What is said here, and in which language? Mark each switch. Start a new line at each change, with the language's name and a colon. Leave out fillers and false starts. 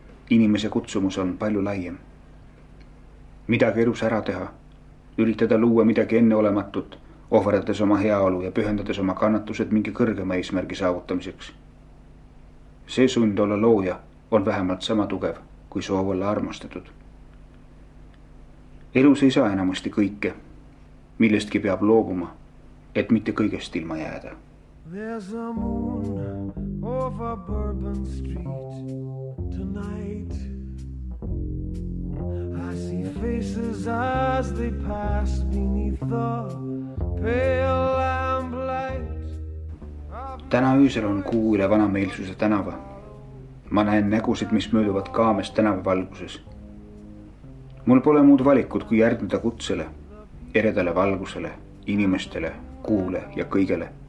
Estonian: Inimese kutsumus on palju laiem. Midagi elus ära teha, üritada luua midagi enneolematut, ohverdades oma heaolu ja pühendades oma kannatused mingi kõrgema eesmärgi saavutamiseks. See sund olla looja on vähemalt sama tugev kui soov olla armastatud. Elus ei saa enamasti kõike, millestki peab loobuma. Et mitte kõigest ilma jääda.
English: There's a moon over Bourbon Street tonight. I see faces as they pass beneath the pale lamp light.
Estonian: Täna öösel on kuu üle vanameelsuse tänava. Ma näen nägusid, mis mööduvad kaames tänava valguses. Mul pole muud valikud kui järgneda kutsele, eredale valgusele, inimestele, kuule ja kõigele.